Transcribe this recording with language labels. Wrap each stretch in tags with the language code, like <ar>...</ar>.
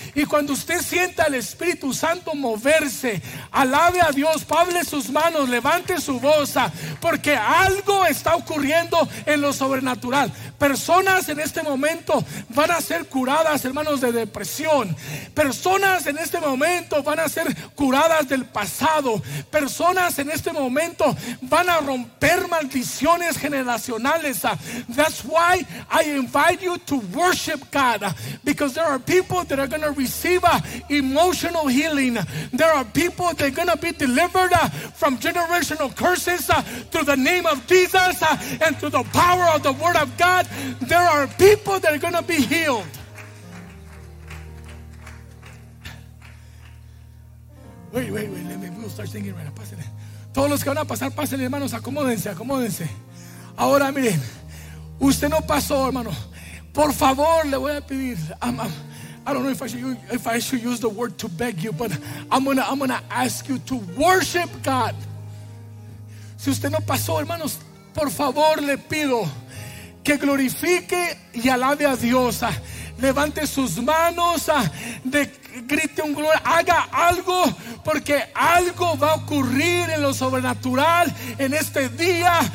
<es>Y cuando usted sienta el Espíritu Santo moverse, alabe a Dios, pable sus manos, levante su voz, porque algo está ocurriendo en lo sobrenatural. Personas en este momento van a ser curadas, hermanos, de depresión. Personas en este momento van a ser curadas del pasado. Personas en este momento van a romper maldiciones generacionales.</es> <en>fullness. That's why I invite you to worship God, because there are people that are going to receive emotional healing. There are people that are going to be delivered from generational curses through the name of Jesus and through the power of the Word of God. There are people that are going to be healed. Wait, let me start singing right now.</en> <es>Pásenle. Todos los que van a pasar, pásenle, hermanos, acomódense. Ahora miren, usted no pasó, hermano. Por favor, le voy a pedir.</es> <en>I don't know if I should use the word to beg you, but I'm gonna ask you to worship God.</en> <es>Si usted no pasó, hermanos, por favor le pido que glorifique y alabe a Dios. Levante sus manos, grite un gloria, haga algo, porque algo va a ocurrir en lo sobrenatural en este día.</es>